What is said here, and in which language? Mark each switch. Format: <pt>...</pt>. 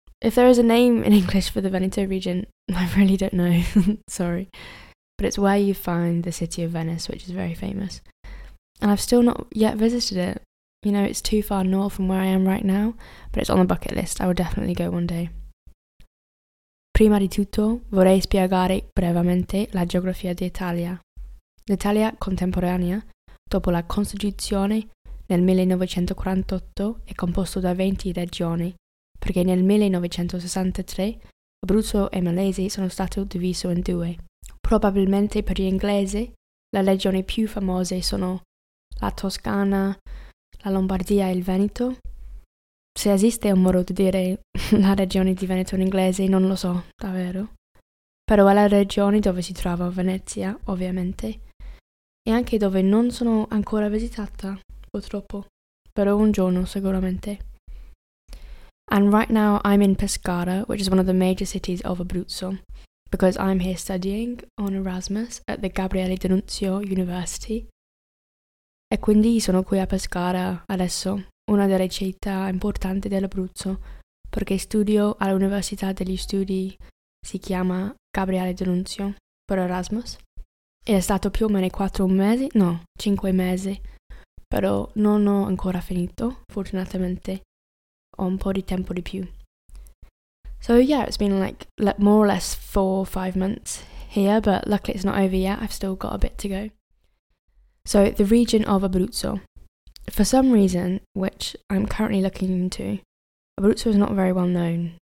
<en>If there is a name in English for the Veneto region, I really don't know. Sorry. But it's where you find the city of Venice, which is very famous. And I've still not yet visited it. You know, it's too far north from where I am right now, but it's on the bucket list. I will definitely go one day.</en> <it>Prima di tutto, vorrei spiegare brevemente la geografia d'Italia. L'Italia contemporanea, dopo la Costituzione nel 1948, è composto da 20 regioni, perché nel 1963 Abruzzo e Molise sono stati divisi in due. Probabilmente per gli inglesi, le regioni più famose sono la Toscana, la Lombardia e il Veneto. Se esiste un modo di dire la regione di Veneto in inglese, non lo so, davvero. Però è la regione dove si trova Venezia, ovviamente. E anche dove non sono ancora visitata, purtroppo. Però un giorno, sicuramente.</it> <en>And right now I'm in Pescara, which is one of the major cities of Abruzzo. Because I'm here studying on Erasmus at the Gabriele D'Annunzio University.</en> <it>E quindi sono qui a Pescara adesso, una delle città importanti dell'Abruzzo, perché studio all'Università degli Studi, si chiama Gabriele D'Annunzio, per Erasmus. E è stato più o meno 5 mesi, però non ho ancora finito, fortunatamente. Ho un po' di tempo di più.</it> <en>So yeah, it's been like more or less 4 or 5 months here, but luckily it's not over yet. I've still got a bit to go. So the region of Abruzzo. For some reason, which I'm currently looking into, Abruzzo is not very well known.</en>